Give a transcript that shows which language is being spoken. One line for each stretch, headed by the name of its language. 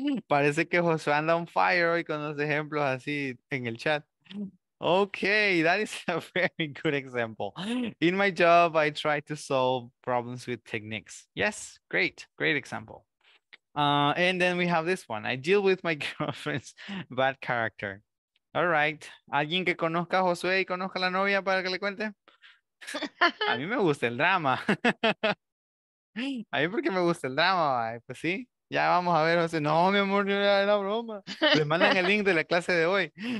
Spanish: Parece que Josué anda
English: on fire
Spanish: hoy con los ejemplos así en el chat.
English: Okay, that is a very good example. In my job, I try to solve problems with techniques. Yes, great example. And then we have this one. I deal with my girlfriend's bad character. All right.
Spanish: ¿Alguien que conozca a Josué y conozca a la novia para que le cuente? A mí me gusta el drama. A mí porque me gusta el drama, ¿vale? Pues sí. Ya vamos a ver, José. No, mi amor, no era la broma. Le mandan el link de la clase de hoy.